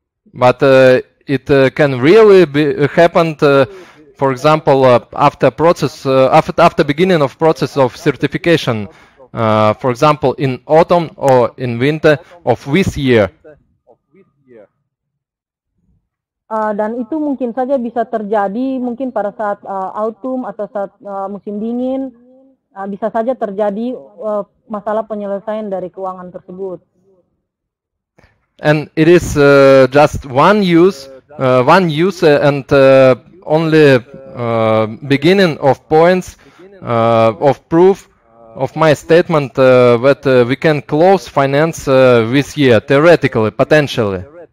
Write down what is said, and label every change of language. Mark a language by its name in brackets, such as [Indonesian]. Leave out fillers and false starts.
[English] But it can really be happened, for example, after beginning of process of certification, for example, in autumn or in winter of this year. [Indonesian] Dan itu mungkin saja bisa terjadi mungkin pada saat autumn atau saat musim dingin, bisa saja terjadi masalah penyelesaian dari keuangan tersebut. [English] And it is just one user and only beginning of points of proof of my statement that we can close finance this year, theoretically, potentially.